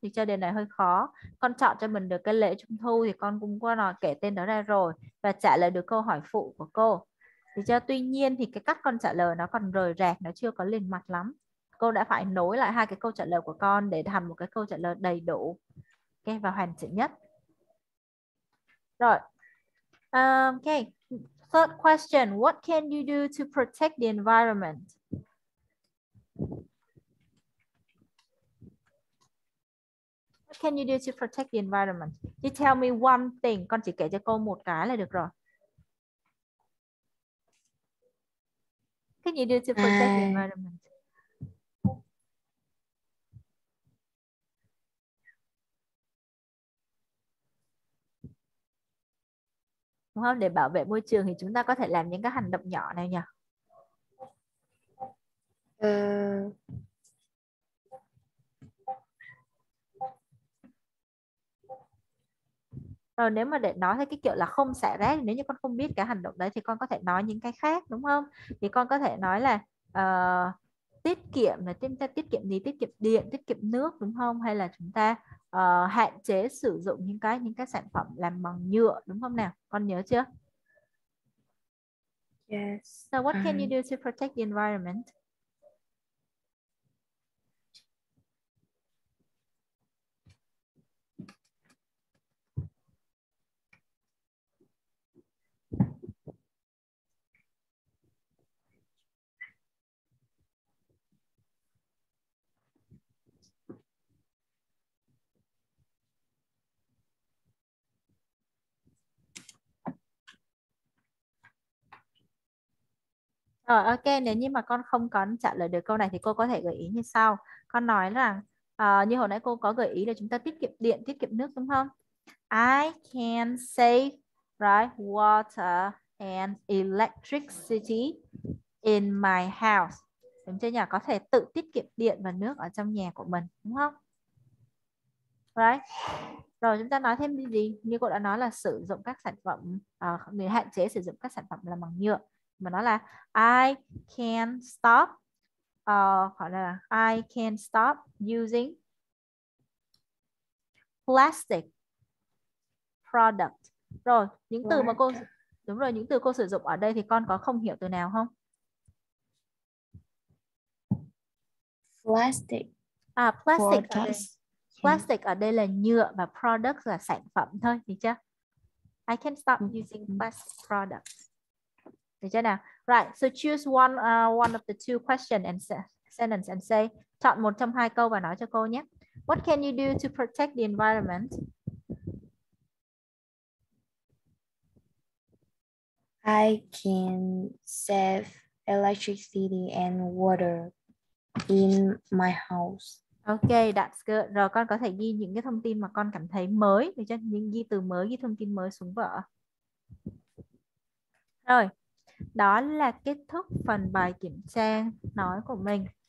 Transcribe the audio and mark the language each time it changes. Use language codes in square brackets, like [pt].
[vi] Thì cho đề này hơi khó. Con chọn cho mình được cái lễ Trung Thu thì con cũng qua nó kể tên đó ra rồi và trả lời được câu hỏi phụ của cô. Thì cho tuy nhiên thì cái cách con trả lời nó còn rời rạc, nó chưa có liền mạch lắm. Cô đã phải nối lại hai cái câu trả lời của con để thành một cái câu trả lời đầy đủ, okay, và hoàn chỉnh nhất. [en] Right. Okay. Third question. What can you do to protect the environment? What can you do to protect the environment? You tell me one thing. [vi] Con chỉ kể cho cô một cái là được rồi. [en] Can you do to protect the environment? [vi] Đúng không? Để bảo vệ môi trường thì chúng ta có thể làm những cái hành động nhỏ này nhỉ? Rồi nếu mà để nói theo cái kiểu là không xả rác, nếu như con không biết cái hành động đấy thì con có thể nói những cái khác, đúng không? Thì con có thể nói là tiết kiệm, là chúng ta tiết kiệm gì? Tiết kiệm điện, tiết kiệm nước, đúng không? Hay là chúng ta hạn chế sử dụng những cái sản phẩm làm bằng nhựa, đúng không nào? Con nhớ chưa? [en] Yes. So what can you do to protect the environment? [vi] Ok, nếu như mà con không có trả lời được câu này thì cô có thể gợi ý như sau. Con nói rằng, như hồi nãy cô có gợi ý là chúng ta tiết kiệm điện, tiết kiệm nước, đúng không? [en] I can save right, water and electricity in my house. [vi] Đúng chưa nhỉ? Có thể tự tiết kiệm điện và nước ở trong nhà của mình, đúng không? Right. Rồi chúng ta nói thêm gì? Như cô đã nói là sử dụng các sản phẩm, người hạn chế sử dụng các sản phẩm làm bằng nhựa. Mà nó là I can stop hoặc là [en] I can stop using plastic product. [vi] Rồi những từ mà cô Đúng rồi, những từ cô sử dụng ở đây thì con có không hiểu từ nào không? [en] Plastic [vi] À, plastic ở đây. [en] products. [vi] Plastic ở đây là nhựa và products là sản phẩm thôi, được chưa? [en] I can stop using plastic products. [vi] Được chưa nào? [en] Right, so choose one one of the two question and sentence and say, [vi] chọn một trong hai câu và nói cho cô nhé. [en] What can you do to protect the environment? I can save electricity and water in my house. Ok, that's good. [vi] Rồi con có thể ghi những cái thông tin mà con cảm thấy mới, được chưa? Những ghi từ mới, ghi thông tin mới xuống vở. Rồi, đó là kết thúc phần bài kiểm tra nói của mình.